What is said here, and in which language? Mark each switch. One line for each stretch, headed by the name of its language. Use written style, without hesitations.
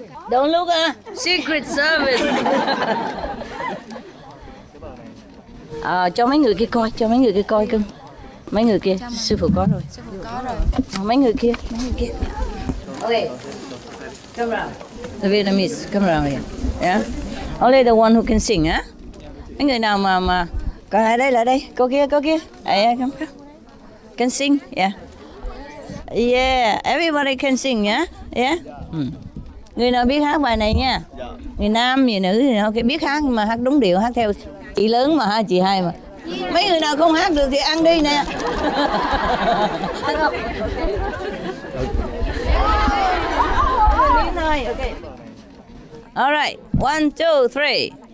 English: Don't look, Secret Service.
Vietnamese: cho mấy người kia coi, cho mấy người kia coi cơ. Mấy người kia, sư phụ có rồi. Sư phụ có rồi. Mấy người kia.
English: Okay, come around. The Vietnamese, come around here. Yeah? Only the one who can sing, huh?
Vietnamese: Mấy người nào mà, có lại đây, cô kia.
English: Hey, come. Can sing, yeah. Yeah, everybody can sing, yeah? Yeah? Mm.
Vietnamese: Người nào biết hát bài này nha? Người nam, người nữ, người nào biết hát mà hát đúng điệu, hát theo chị lớn mà, chị hai mà. Mấy người nào không hát được thì ăn đi nè.
English: Okay. All right, 1, 2, 3.